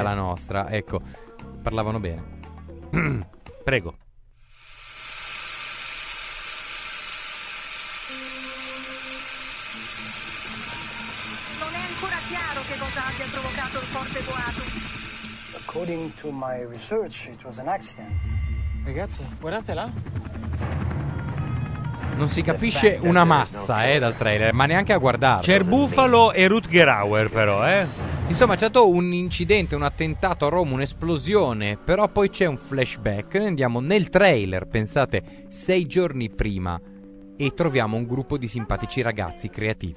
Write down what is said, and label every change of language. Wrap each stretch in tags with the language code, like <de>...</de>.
<it>alla nostra? Ecco, parlavano bene. Prego. Non è ancora chiaro che cosa abbia provocato il forte boato.</it> <en>According to my research, it was an accident.</en> <it>Ragazzi, guardate là. Non si capisce una mazza, dal trailer, ma neanche a guardarlo. C'è il Buffalo e Rutger Hauer, però, Insomma, c'è stato un incidente, un attentato a Roma, un'esplosione, però poi c'è un flashback. Noi andiamo nel trailer, pensate, 6 giorni prima, e troviamo un gruppo di simpatici ragazzi creativi.</it>